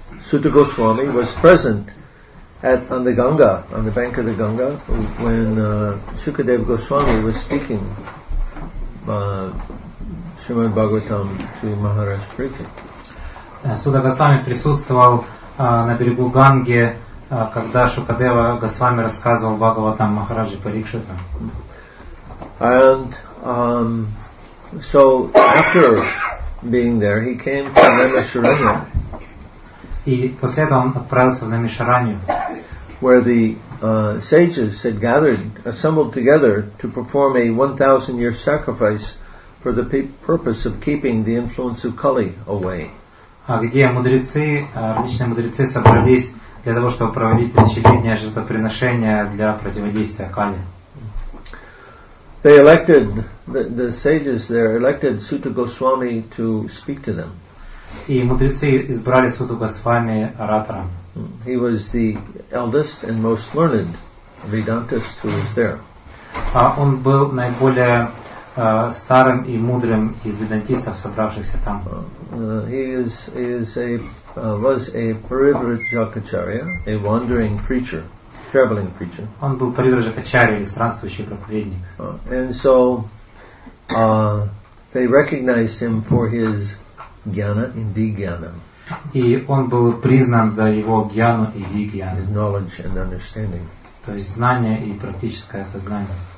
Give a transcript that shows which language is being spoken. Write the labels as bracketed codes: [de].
[en] Suta Goswami was present on the Ganga, on the bank of the Ganga, when Sukadeva Goswami was speaking Shrimad Bhagavatam to Maharaj Parikshit. [ru] Suta Goswami присутствовал на берегу Ганги, когда Шукадева Госвами рассказывал Бхагаватам Махараджи Парикшита. [en] And so after being there, he came to Namasharanya. [ru] И после этого он отправился в Намишаранью, [en] where the sages had gathered, assembled together to perform a 1,000-year sacrifice for the purpose of keeping the influence of Kali away. [ru] Где мудрецы, различные мудрецы собрались для того, чтобы проводить тысячелетнее жертвоприношение для противодействия Кали. [en] They elected, the sages there elected Suta Goswami to speak to them. [ru] И мудрецы избрали Суту Госвами оратором. [en] He was the eldest and most learned Vedantist who was there. [ru] Он был наиболее старым и мудрым из ведантистов, собравшихся там. [en] He was a Parivrajakacharya, a wandering preacher, traveling preacher. [ru] Он был Парivrajakacharya, странствующий проповедник. [en] And so they recognized him for his Gyana, indeed Gyana. [ru] И он был признан за его гьяну и вигьяну. [en] His knowledge and understanding. [ru] То есть знание и практическое сознание.